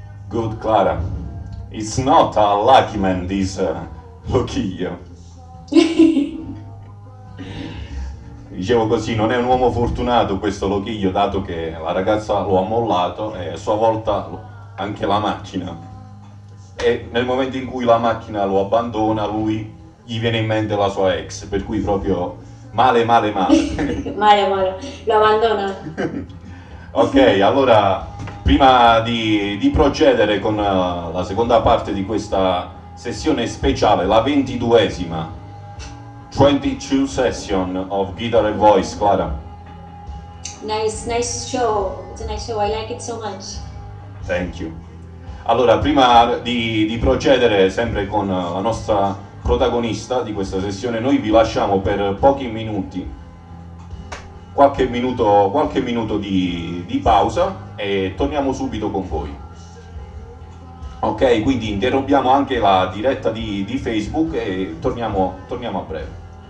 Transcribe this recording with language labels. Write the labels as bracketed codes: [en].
[en] Clara, it's not a lucky man, this Loquillo. [it] Dicevo così, non è un uomo fortunato questo Loquillo, dato che la ragazza lo ha mollato e a sua volta anche la macchina. E nel momento in cui la macchina lo abbandona, lui gli viene in mente la sua ex, per cui proprio male, male, male. Male, male, lo abbandona. Ok, allora... Prima di procedere con la seconda parte di questa sessione speciale, la 22esima 22 session of Guitar and Voice, Clara. [en] Nice show, it's a nice show, I like it so much. Thank you. [it] Allora, prima di procedere sempre con la nostra protagonista di questa sessione, noi vi lasciamo per pochi minuti, qualche minuto di pausa. E torniamo subito con voi. Ok, quindi interrompiamo anche la diretta di Facebook e torniamo a breve.